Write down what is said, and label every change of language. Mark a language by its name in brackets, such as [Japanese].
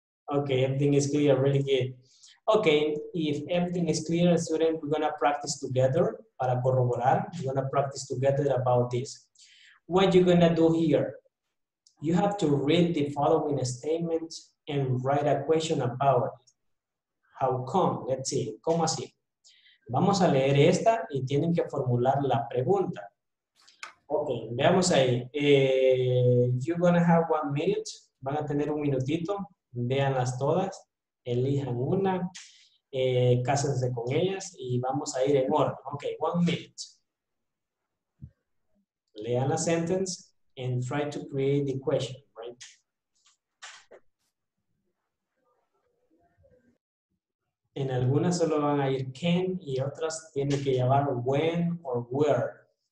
[English] Okay, everything is clear. Really good. Okay, if everything is clear, student, we're going to practice together [Spanish] para corroborar. [English] We're going to practice together about this. What you're going to do here? You have to read the following statement and write a question about it. How come? Let's see. [Spanish] ¿Cómo así? Vamos a leer esta y tienen que formular la pregunta. Okay, veamos ahí. You're gonna have 1 minute. Van a tener un minutito. Véanlas todas. Elijan una. Cásense con ellas y vamos a ir en orden. [English] Okay, 1 minute. [Spanish] Lean la [English] sentence and try to create the question, right? [Spanish] En algunas solo van a ir can y otras tienen que llevar [English] when or where.